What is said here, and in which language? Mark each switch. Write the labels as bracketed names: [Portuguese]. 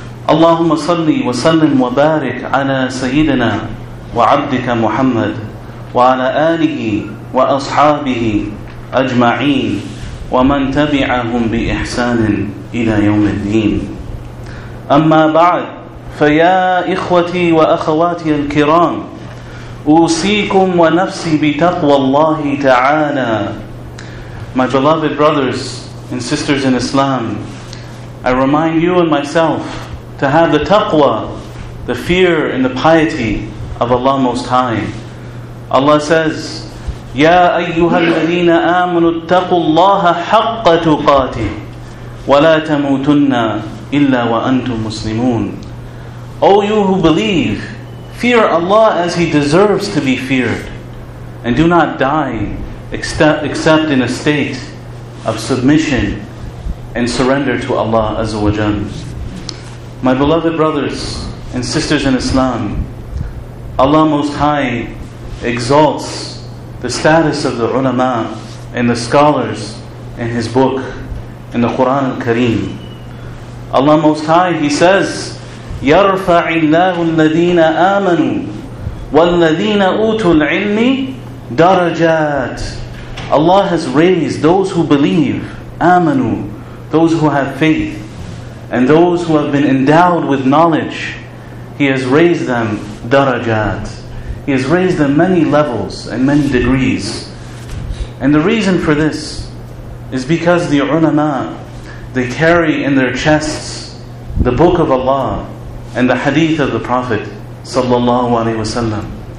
[Arabic] اللهم صلِّ وسلِّم وبارِك على سيدنا وعبدك محمد وعلى آله وأصحابه أجمعين ومن تبعهم بإحسانٍ إلى يوم الدين. أما بعد، فيا إخوتي وأخواتي الكرام، أوصيكم ونفسي بتقوى الله تعالى. [English] My beloved brothers and sisters in Islam, I remind you and myself to have the taqwa, the fear and the piety of Allah Most High. Allah says, [Arabic] يَا أَيُّهَا الَّذِينَ آمُنُوا اتَّقُوا اللَّهَ حَقَّ تُقَاتِهِ وَلَا تَمُوتُنَّ إِلَّا وَأَنْتُمْ مُسْلِمُونَ. [English] O you who believe, fear Allah as He deserves to be feared, and do not die except in a state of submission and surrender to Allah Azza wa Jal. My beloved brothers and sisters in Islam, Allah Most High exalts the status of the ulama and the scholars in His book, in the Quran al-Kareem. Allah Most High, He says, [Arabic] يَرْفَعِ اللَّهُ الَّذِينَ آمَنُوا وَالَّذِينَ أُوتُوا الْعِلْمِ دَرَجَاتٍ. [English] Allah has raised those who believe, amanu, those who have faith, and those who have been endowed with knowledge. He has raised them darajat. He has raised them many levels and many degrees. And the reason for this is because the ulama, they carry in their chests the book of Allah and the hadith of the Prophet sallallahu alaihi wasallam.